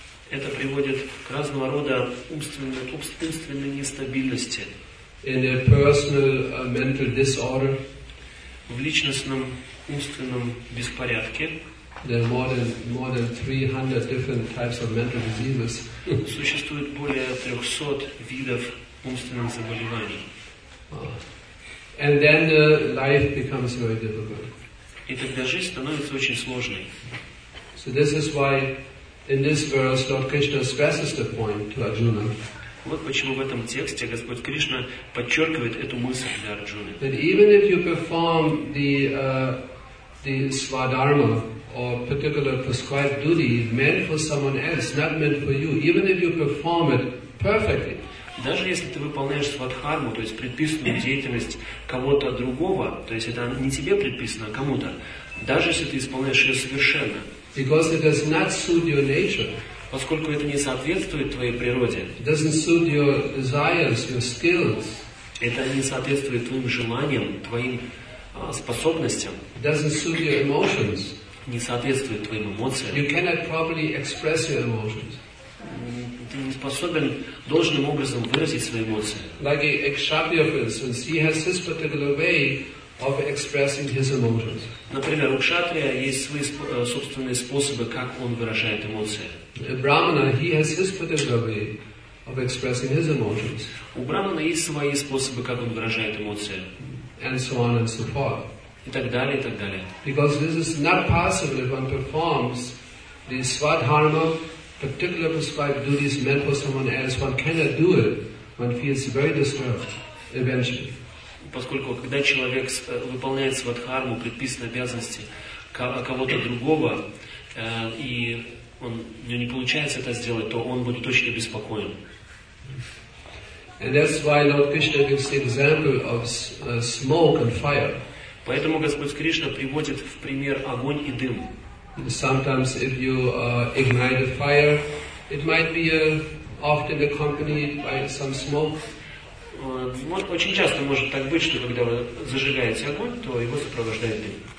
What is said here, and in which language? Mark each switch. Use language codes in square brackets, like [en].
[ru] Это приводит к разного рода умственной нестабильности. [en] In their personal mental disorder. [ru] В личностном умственном беспорядке. [en] There are more than 300 different types of mental diseases. [ru] Существует более 300 видов умственных заболеваний. [en] And then life becomes very difficult. [ru] И тогда жизнь становится очень сложной. [en] So this is why in this verse Lord Krishna stresses the point to Arjuna. [ru] Вот почему в этом тексте Господь Кришна подчеркивает эту мысль для Арджуны. [en] That even if you perform the Svadharma or particular prescribed duty meant for someone else, not meant for you, even if you perform it perfectly. [ru] Даже если ты выполняешь свадхарму, то есть предписанную деятельность кого-то другого, то есть это не тебе предписано, а кому-то, даже если ты исполняешь ее совершенно. [en] Because it does not suit your nature. [ru] Поскольку это не соответствует твоей природе. [en] It doesn't suit your desires, your skills. [ru] Это не соответствует твоим желаниям, твоим способностям. [en] It doesn't suit your emotions. [ru] Не соответствует твоим эмоциям. [en] You cannot properly express your emotions. [ru] Ты не способен должным образом выразить свои эмоции. [en] Like a kshatriya, for instance, he has his particular way of expressing his emotions. [ru] Например, у кшатрия есть свои собственные способы, как он выражает эмоции. [en] A brahmana, he has his particular way of expressing his emotions. [ru] У брахмана есть свои способы, как он выражает эмоции. [en] And so on and so forth. [ru] И так далее, и так далее. [en] Because this is not possible if one performs the svadharma, particular prescribed duties meant for someone else, one cannot do it. One feels very disturbed eventually. [ru] Поскольку когда человек выполняет свадхарму, предписанные обязанности кого-то другого, и он, у него не получается это сделать, то он будет очень обеспокоен. [en] And that's why Lord Krishna gives the example of smoke and fire. [ru] Поэтому Господь Кришна приводит в пример огонь и дым. [en] Sometimes if you ignite a fire, it might be often accompanied by some smoke. [ru] Очень часто может так быть, что когда вы зажигаете огонь, то его сопровождает дым.